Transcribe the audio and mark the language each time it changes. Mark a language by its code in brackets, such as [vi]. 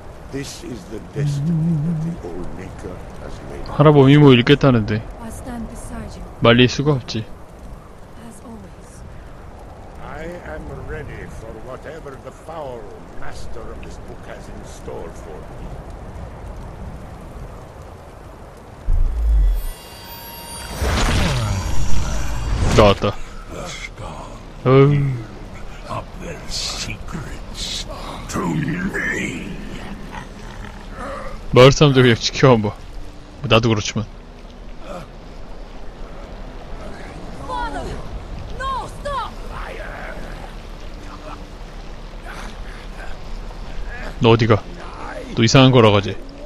[en] This is the destiny that the old maker has made. [ko] 하라봄이 뭐 읽겠다는데 말릴 수가 없지. [en] As always, I am ready for whatever the foul master of this book has in store for me. [ko] 나왔다. 마을 사람들 그냥 지켜봐. 뭐 나도 그렇지만. 너 어디가? 또 이상한 거라 가지.